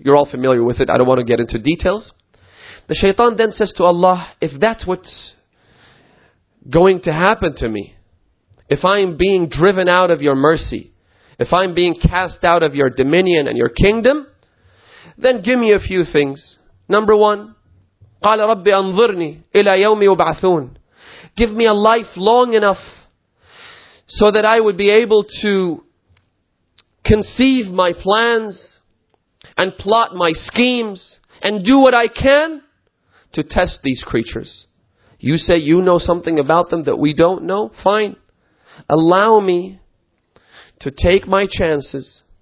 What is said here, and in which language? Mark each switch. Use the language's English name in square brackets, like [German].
[English] You're all familiar with it. I don't want to get into details. The shaitan then says to Allah, if that's what's going to happen to me, if I'm being driven out of your mercy, if I'm being cast out of your dominion and your kingdom, then give me a few things. Number one, [Arabic] قَالَ رَبِّ أَنظُرْنِي إِلَى يَوْمِ يُبْعَثُونَ. [English] Give me a life long enough so that I would be able to conceive my plans and plot my schemes and do what I can to test these creatures. You say you know something about them that we don't know? Fine. Allow me to take my chances.